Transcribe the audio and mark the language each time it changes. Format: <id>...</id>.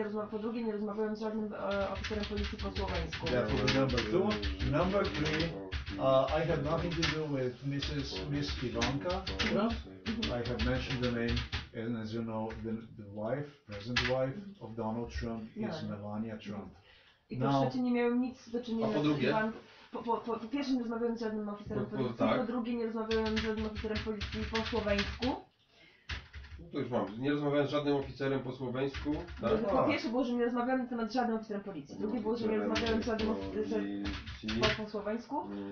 <pl>Po drugie, nie rozmawiałem z żadnym oficerem policji po słoweńsku.</pl> <en>Number two. Number three. I have nothing to do with Miss Ivanka. I have mentioned the name, and as you know, the wife, present wife of Donald Trump is Melania Trump.</en> <pl>Po pierwsze nie rozmawiałem z żadnym oficerem policji, tak. Po drugie nie rozmawiałem z żadnym oficerem policji po słoweńsku. No to już mam. Nie rozmawiałem z żadnym oficerem po słoweńsku. Tak? Po pierwsze było, że nie rozmawiałem na temat z żadnym oficerem policji. Drugie było, że nie rozmawiałem z żadnym oficerem po słoweńsku.</pl>